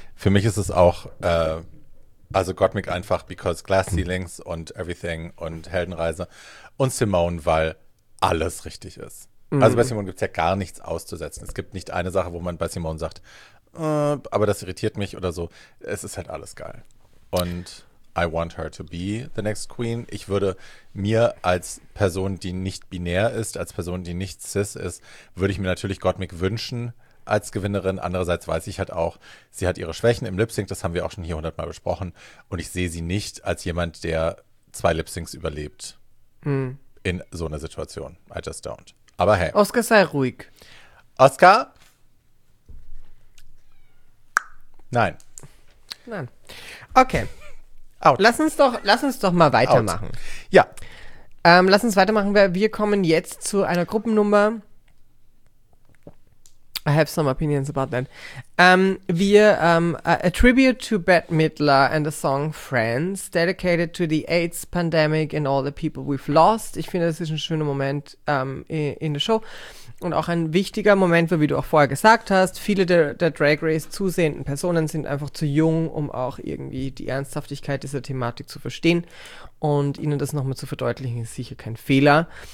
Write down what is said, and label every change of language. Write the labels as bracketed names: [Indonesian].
[German] Für mich ist es auch, also Gottmik einfach, [English] because Glass Ceilings [German] und Everything und Heldenreise und Simone, weil alles richtig ist. Mhm. Also bei Simone gibt es ja gar nichts auszusetzen. Es gibt nicht eine Sache, wo man bei Simone sagt, aber das irritiert mich oder so. Es ist halt alles geil. [English] Und I want her to be the next queen. [German] Ich würde mir als Person, die nicht binär ist, als Person, die nicht cis ist, würde ich mir natürlich Gottmik wünschen als Gewinnerin. Andererseits weiß ich halt auch, sie hat ihre Schwächen im Lip-Sync, das haben wir auch schon hier 100-mal besprochen. Und ich sehe sie nicht als jemand, der 2 Lip-Syncs überlebt in so einer Situation. [English] I just don't. [German] Aber hey. Oscar, sei ruhig. Oscar? Nein. Nein. Okay. Out. Lass uns doch mal weitermachen. Out. Ja. Lass uns weitermachen. Wir kommen jetzt zu einer Gruppennummer. [English] I have some opinions about that. A tribute to Bette Midler and the song Friends, dedicated to the AIDS pandemic and all the people we've lost. [German] Ich finde, das ist ein schöner Moment in der Show. Und auch ein wichtiger Moment, weil, wie du auch vorher gesagt hast, viele der Drag Race zusehenden Personen sind einfach zu jung, um auch irgendwie die Ernsthaftigkeit dieser Thematik zu verstehen. Und ihnen das nochmal zu verdeutlichen, ist sicher kein Fehler.